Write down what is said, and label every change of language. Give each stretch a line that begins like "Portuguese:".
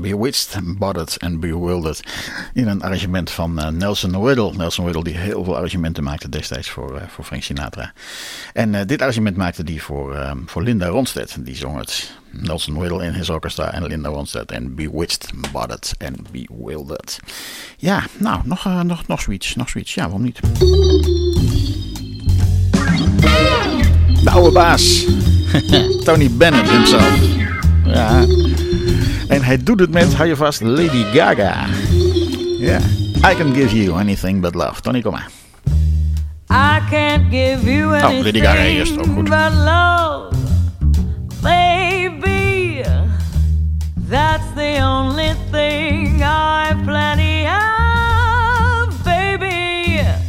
English: Bewitched, Bothered and Bewildered.
Dutch: In een arrangement van Nelson Riddle. Nelson Riddle die heel veel arrangementen maakte destijds voor Frank Sinatra. En dit arrangement maakte die voor Linda Ronstedt. Die zong het. Nelson Riddle
English: in his orchestra
Dutch: en Linda Ronstedt. En Bewitched, Bothered and Bewildered. Ja, nou, nog zoiets. Ja, waarom niet? De oude baas. Tony Bennett himself. Ja. En hij doet het met, hou je vast, Lady Gaga. Ja. Yeah.
English: I can give you anything but love.
Dutch: Tony, kom maar.
English: I can't give you anything
Dutch: Lady Gaga, eerst, goed.
English: But love, baby. That's the only thing I've plenty of, baby.